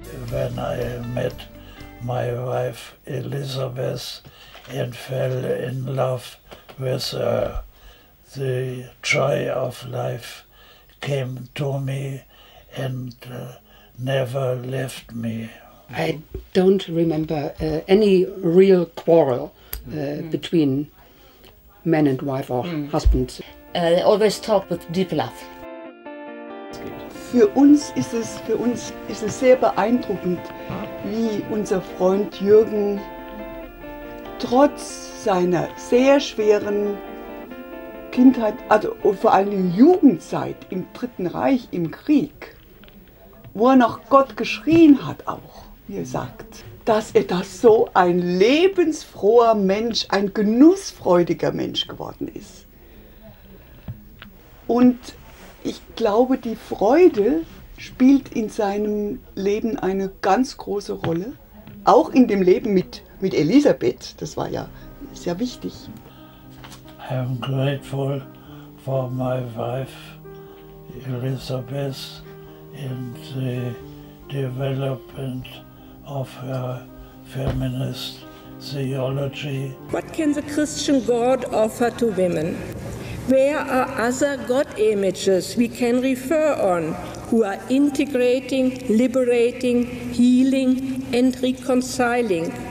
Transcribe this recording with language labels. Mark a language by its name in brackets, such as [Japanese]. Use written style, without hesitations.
[English] When I met my wife Elizabeth and fell in love with her, the joy of life came to me and never left me. I don't remember any real quarrel between man and wife or husband. They always talk with deep love. [German] Für uns ist es sehr beeindruckend, wie unser Freund Jürgen trotz seiner sehr schweren Kindheit, also vor allem Jugendzeit im Dritten Reich, im Krieg, wo er noch Gott geschrien hat auch, wie er sagt, dass er da so ein lebensfroher Mensch, ein genussfreudiger Mensch geworden ist. Und ich glaube, die Freude spielt in seinem Leben eine ganz große Rolle, auch in dem Leben mit Elisabeth, das war ja sehr wichtig. [English] I'm grateful for my wife Elisabeth in the development of her feminist theology. What can the Christian God offer to women? Where are other God images we can refer on who are integrating, liberating, healing and reconciling?